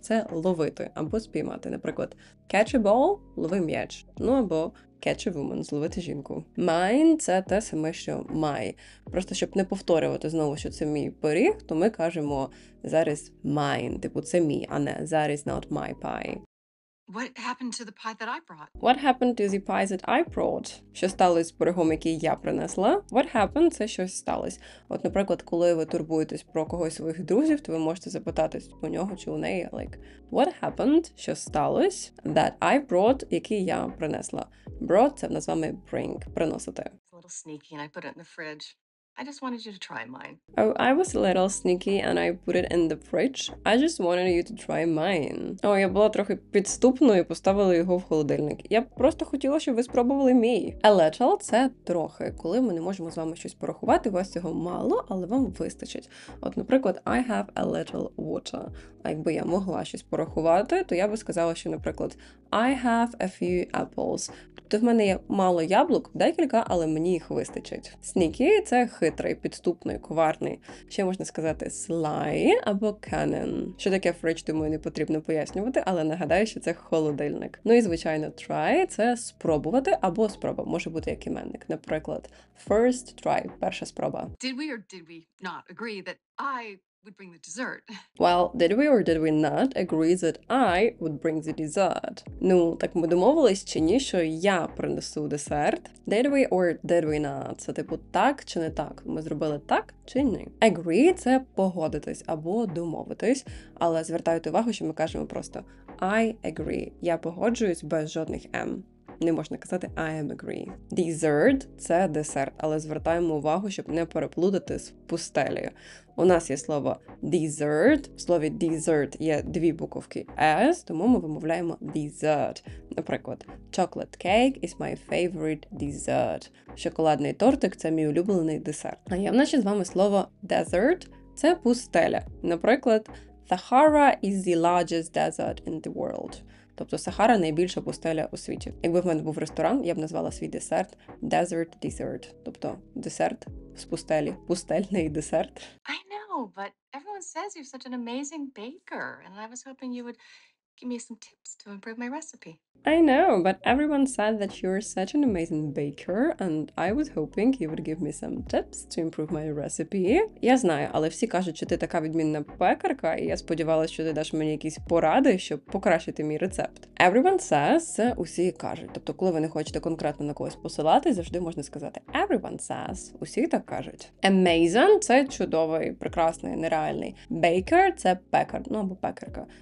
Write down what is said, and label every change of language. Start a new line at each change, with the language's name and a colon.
Ukrainian: Це ловити або спіймати. Наприклад,
English: catch a ball
Ukrainian: – лови м'яч. Ну, або
English: catch a woman
Ukrainian: – зловити жінку. Mine – це те саме, що my. Просто, щоб не повторювати знову, що це мій пиріг, то ми кажемо зараз mine. Типу, це мій, а не зараз
English: not my pie. What happened to the pie that I brought? What happened to the pie that I brought?
Ukrainian: Що сталося з пирогом, який я принесла?
English: What happened?
Ukrainian: Це щось сталося. От, наприклад, коли ви турбуєтесь про когось своїх друзів, то ви можете запитатись у нього чи у неї,
English: like, what happened?
Ukrainian: Що сталося?
English: That I brought,
Ukrainian: який я принесла. Brought – це в нас вами bring, приносити.
English: A little sneaky and I put it in the fridge. I just wanted you to try mine. Oh, I was a little sneaky and I put it in the fridge. I just wanted you to try mine.
Ukrainian: О, я була трохи підступною і поставила його в холодильник. Я просто хотіла, щоб ви спробували мій.
English: A little
Ukrainian: – це трохи. Коли ми не можемо з вами щось порахувати, у вас цього мало, але вам вистачить. От, наприклад,
English: I have a little water.
Ukrainian: А якби я могла щось порахувати, то я би сказала, що, наприклад,
English: I have a few apples.
Ukrainian: Тобто в мене є мало яблук, декілька, але мені їх вистачить. Sneaky – це хитрий, підступний, коварний. Ще можна сказати sly або cunning. Що таке fridge, думаю, не потрібно пояснювати, але нагадаю, що це холодильник. Ну і, звичайно, try – це спробувати або спроба. Може бути як іменник. Наприклад,
English: first try
Ukrainian: – перша спроба.
English: Did we or did we not agree that I would bring the dessert? Well, did we or did we not agree that I would bring the dessert?
Ukrainian: Ну, так ми домовились чи ні, що я принесу десерт?
English: Did we or did we not?
Ukrainian: Це типу так чи не так? Ми зробили так чи ні? Agree – це погодитись або домовитись. Але звертайте увагу, що ми кажемо просто
English: I agree.
Ukrainian: Я погоджуюсь без жодних M. Не можна казати
English: I am agree.
Ukrainian: Dessert – це десерт, але звертаємо увагу, щоб не переплутати з пустелею. У нас є слово dessert. В слові dessert є дві буковки S, тому ми вимовляємо dessert. Наприклад,
English: chocolate cake is my favorite dessert.
Ukrainian: Шоколадний тортик – це мій улюблений десерт. А я в нашій з вами слово desert – це пустеля. Наприклад,
English: Sahara is the largest desert in the world.
Ukrainian: Тобто Сахара – найбільша пустеля у світі. Якби в мене був ресторан, я б назвала свій десерт «desert dessert». Тобто десерт з пустелі, пустельний десерт.
English: I know, but everyone says you're such an amazing baker, and I was hoping you would give me some tips to improve my recipe. I know, but everyone said that you're such an amazing baker, and I was hoping you would give me some tips to improve my recipe.
Ukrainian: Я знаю, але всі кажуть, що ти така відмінна пекарка, і я сподівалася, що ти даш мені якісь поради, щоб покращити мій рецепт.
English: Everyone says,
Ukrainian: усі кажуть. Тобто, коли ви не хочете конкретно на когось посилатись, завжди можна сказати
English: everyone says,
Ukrainian: усі так кажуть. Amazing – це чудовий, прекрасний, нереальний. Baker – це пекар, ну або пекарка.